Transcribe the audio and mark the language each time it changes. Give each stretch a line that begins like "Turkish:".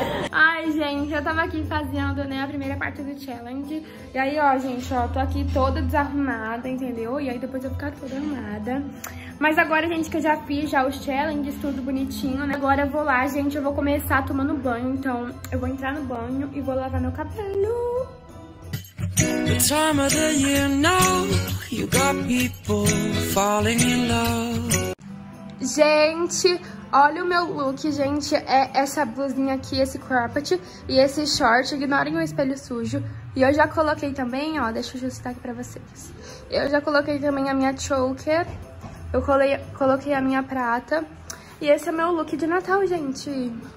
Portuguese: Ai, gente, eu tava aqui fazendo, né, a primeira parte do challenge. E aí, ó, gente, ó, tô aqui toda desarrumada, entendeu? E aí depois eu vou ficar toda arrumada. Mas agora, gente, que eu já fiz já os challenges, tudo bonitinho, né? Agora eu vou lá, gente, eu vou começar tomando banho. Então eu vou entrar no banho e vou lavar meu cabelo.
English: The time of the year now, you got people falling in love.
Portuguese: Gente, olha o meu look, gente, é essa blusinha aqui, esse cropped e esse short, ignorem o espelho sujo. E eu já coloquei também, ó, deixa eu ajustar aqui pra vocês. Eu já coloquei também a minha choker, eu coloquei a minha prata e esse é meu look de Natal, gente.